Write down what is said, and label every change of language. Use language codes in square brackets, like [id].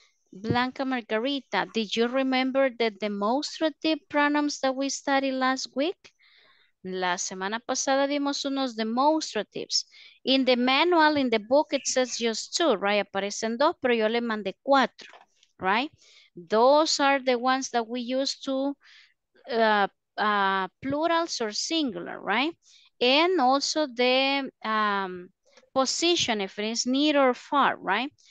[en] Blanca Margarita, did you remember the demonstrative pronouns that we studied last week? [es] La semana pasada vimos unos demonstratives. [en] In the manual, in the book, it says just two, right? [es] Aparecen dos, pero yo le mandé cuatro, right? [en] Those are the ones that we use to plurals or singular, right? And also the position, if it is near or far, right?